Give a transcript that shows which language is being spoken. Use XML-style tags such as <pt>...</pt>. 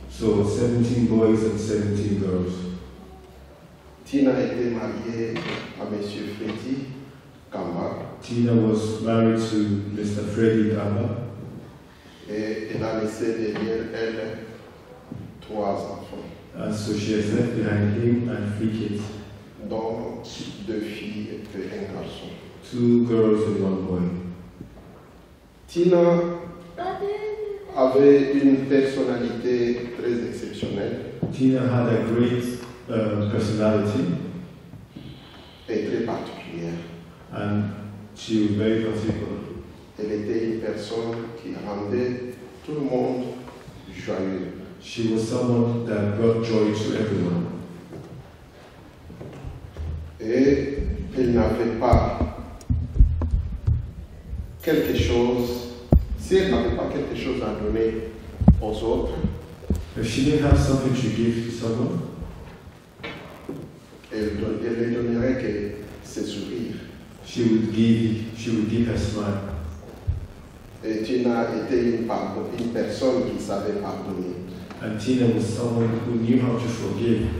<en>So 17 boys and 17 girls.</en> <fr>Tina était mariée à Monsieur Freddy Kamba.</fr> <en>Tina was married to Mr. Freddy Kamba.</en> <fr>Et elle a laissé derrière elle trois enfants.</fr> <en>And so she has left behind him and three kids.</en> <fr>Donc deux filles et un garçon.</fr> <en>Two girls and one boy.</en> <fr>Tina avait une personnalité très exceptionnelle.</fr> <en>Tina had a great personality.</en> <fr>Et très particulière.</fr> <en>And she was very particular.</en> <fr>Elle était une personne qui rendait tout le monde joyeux.</fr> <en>She was someone that brought joy to everyone.</en> <fr>Et elle n'avait pas quelque chose, si elle n'avait pas quelque chose à donner aux autres,</fr> <en>if she didn't have something to give to someone,</en> <fr>elle ne donnerait que ses sourires.</fr> <en>She would give her smile.</en> <fr>Et Tina était une personne qui savait pardonner.</fr> <en>And Tina was someone who knew how to forgive.</en>